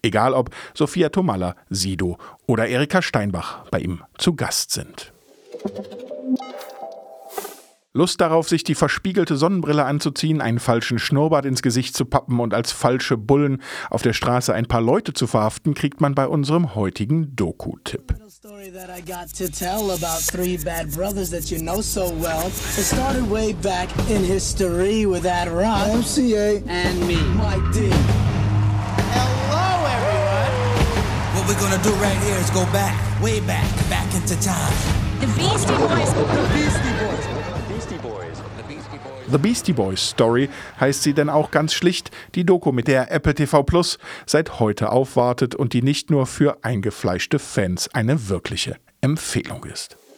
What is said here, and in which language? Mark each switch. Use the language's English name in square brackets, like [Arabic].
[German] Egal, ob Sophia Tomalla, Sido oder Erika Steinbach bei ihm zu Gast sind. Lust darauf, sich die verspiegelte Sonnenbrille anzuziehen, einen falschen Schnurrbart ins Gesicht zu pappen und als falsche Bullen auf der Straße ein paar Leute zu verhaften, kriegt man bei unserem heutigen Doku-Tipp. [English] Story that I got to tell about three bad brothers that you know so well. It started way back in history with that rock. MCA. And me. Mike D. Hello, everyone. What we're gonna do right here is go back, way back, back into time. The Beastie Boys. The Beastie Boys. [German] The Beastie Boys Story heißt sie denn auch ganz schlicht, die Doku, mit der Apple TV Plus seit heute aufwartet und die nicht nur für eingefleischte Fans eine wirkliche Empfehlung ist.